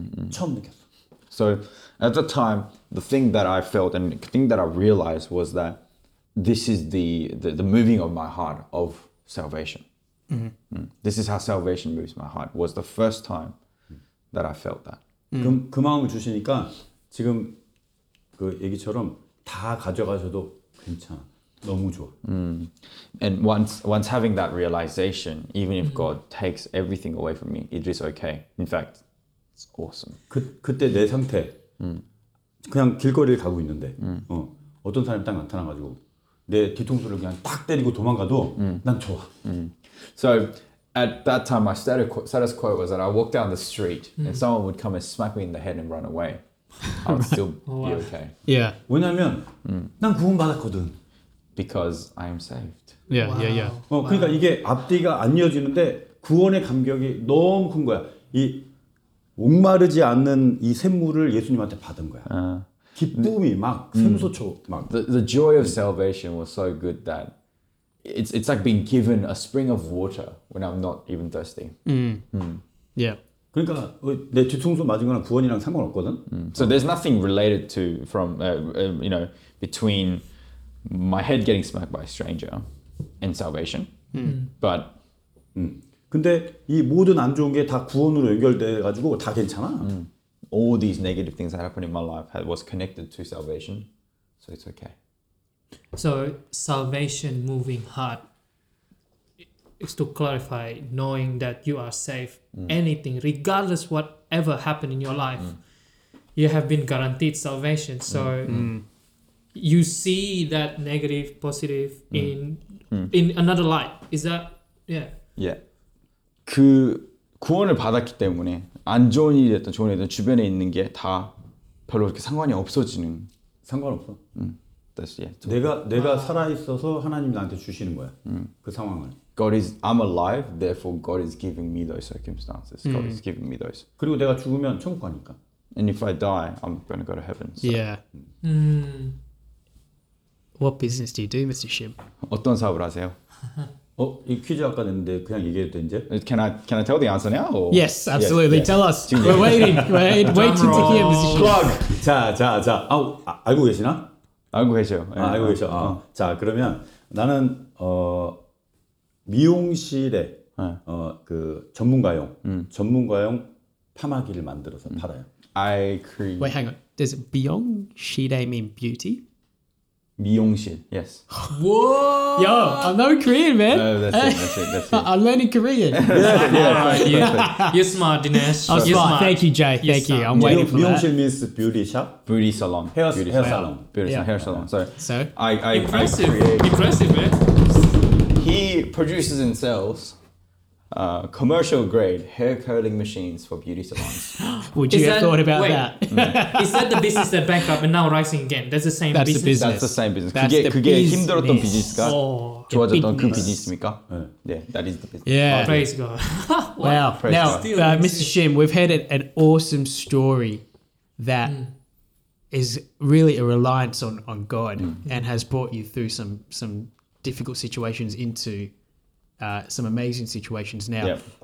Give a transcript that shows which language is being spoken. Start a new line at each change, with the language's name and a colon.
Korean: 처음 느꼈어.
English: So at the time, the thing that I felt and the thing that I realized was that this is the moving of my heart of salvation. This is how salvation moves my heart. Was the first time that I felt that.
Korean: 그 마음을 주시니까 지금 그 얘기처럼 다 가져가셔도 괜찮아. 너무 좋아.
English: And once having that realization, even if God takes everything away from me, it is okay. In fact, it's awesome.
Korean: 그때 내 상태. 그냥 길거리를 가고 있는데. 어떤 사람이 딱 나타나 가지고 내 뒤통수를 그냥 딱 때리고 도망가도 난 좋아.
English: So at that time my status quo was that I walked down the street and someone would come and smack me in the head and run away. I would still be okay. Yeah.
Korean: 왜냐면 난 구원 받았거든.
English: Because I am saved. Yeah, wow. Yeah, yeah.
Korean: 그러니까 이게 앞뒤가 안 이어지는데 구원의 감격이 너무 큰 거야. 이 목마르지 않는 이 샘물을 예수님한테 받은 거야. 기쁨이 막 샘솟죠.
English: The joy of salvation was so good that it's like being given a spring of water when I'm not even thirsty. Yeah.
Korean: 그러니까 내 뒤통수 맞은 거랑 구원이랑 상관없거든.
English: So there's nothing related to from you know between my head getting smacked by a stranger and salvation. But
Korean: 근데 이 모든 안 좋은 게 다 구원으로 연결돼 가지고 다 괜찮아.
English: All these negative things that happened in my life was connected to salvation. So it's okay. So salvation moving heart is to clarify knowing that you are safe. Anything regardless whatever happened in your life, you have been guaranteed salvation. So you see that negative, positive in in another light. Is that
Korean: Yeah. 그 구원을 받았기 때문에 안 좋은 일이 됐던 좋은 일이 됐던 주변에 있는 게 다 별로 그렇게 상관이 없어지는 상관없어. 뜻이 내가 살아 있어서 하나님 나한테 주시는 거야. 그 상황을.
English: God is I'm alive, therefore God is giving me those circumstances. God is giving me those.
Korean: 그리고 내가 죽으면 천국 가니까.
English: And if I die, I'm going to go to heaven. So. Yeah. What business do you do, Mr. Shim?
Korean: 어떤 사업을 하세요? 어, 이 퀴즈 아까 냈는데 그냥 얘기해도 돼 이제?
English: Can I tell the answer now? Or? Yes, absolutely. Yes. Tell us. We're waiting. We're waiting to hear this.
Korean: Plug. 자. 아, 알고 계시나? 알고 계셔. 아, 네. 알고 계셔. 자, 그러면 나는 미용실에 그 전문가용 전문가용 파마기를 만들어서 팔아요.
English: I create. Wait, hang on. Does 미용실에 mean beauty? 미용실, yes. Whoa! Yo, I'm no Korean, man. No, that's it. I'm learning Korean. yeah, you're smart, Dinesh. Oh, you're smart. Thank you, Jay. You're Thank you. I'm waiting for that. 미용실 means beauty shop? Beauty salon. Hair salon. So, impressive. Impressive, man. He produces and sells commercial grade hair curling machines for beauty salons. Would you have thought about that? Is that the business that bankrupt and now rising again? That's the same that's business. That's the same business. That's
Korean: 그게
English: business.
Korean: 힘들었던 비즈니스가 좋아졌던 그 비즈니스입니까?
English: Yeah, that is the business. Yeah. Oh, praise God. Wow. Praise now, God. Mr. Shim, we've had an awesome story that is really a reliance on God and has brought you through some difficult situations into some amazing situations now.